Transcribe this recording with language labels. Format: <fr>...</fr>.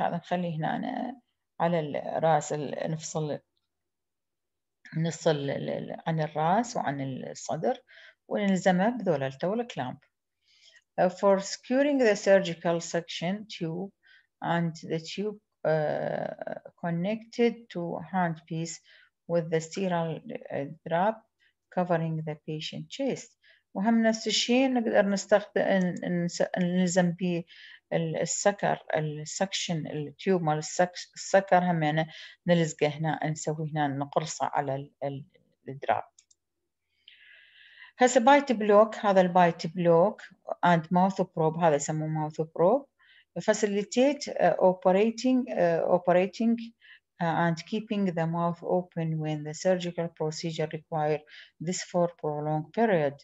<ar>هذا نخلي هنا أنا على الرأس نفصل نصل عن الرأس وعن الصدر ونلزمه بذول التول كلامب.</ar> <en>For securing the surgical suction tube and the tube connected to handpiece with the sterile wrap covering the patient chest.</en> <ar>وهم نفس الشيء نقدر نستخدم نلزم به السكر السكشن التيوب مال السكر هم يعني نلزقه هنا نسوي هنا نقرصه على الدراب.</ar> <en>هسه bite block هذا البايت بلوك اند ماوث بروب هذا يسموه mouth prop facilitate operating and keeping the mouth open when the surgical procedure require this for prolonged period.</en>